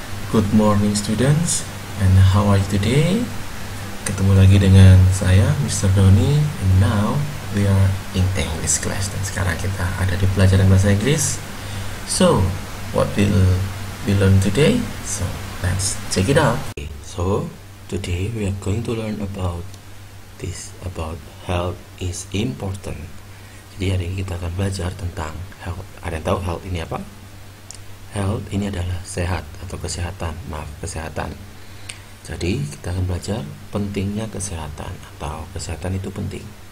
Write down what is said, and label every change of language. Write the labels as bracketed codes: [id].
[en] Good morning students, and how are you today? [id] Ketemu lagi dengan saya, Mr. [en] Doni, and now we are in English class. [id] Dan sekarang kita ada di pelajaran bahasa Inggris. [en] So, what will we learn today? So, let's check it out. Okay, so, today we are going to learn about this, about health is important. [id] Jadi hari ini kita akan belajar tentang health. Ada yang tahu health ini apa? Health ini adalah sehat atau kesehatan. Maaf, kesehatan. Jadi kita akan belajar pentingnya kesehatan atau kesehatan itu penting.